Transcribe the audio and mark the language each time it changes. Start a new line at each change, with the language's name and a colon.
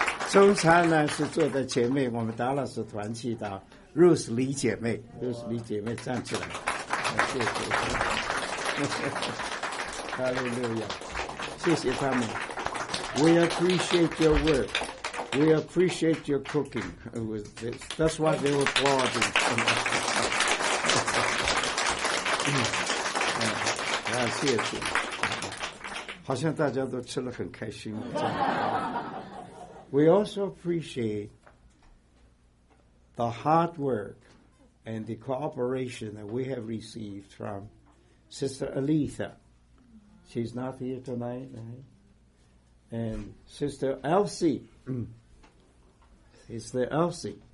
Chinese: 中餐呢是坐在前面，我们达拉斯团契的 Rose 李姐妹 ，Rose 李姐妹站起来，谢谢，哈利路亚，谢谢他们。
English: We appreciate your work, we appreciate your cooking. That's why they were applauding.
Chinese: 啊，谢谢，好像大家都吃了很开心。
English: We also appreciate the hard work and the cooperation that we have received from Sister Aletha. She's not here tonight, right? And Sister Elsie. Sister Elsie.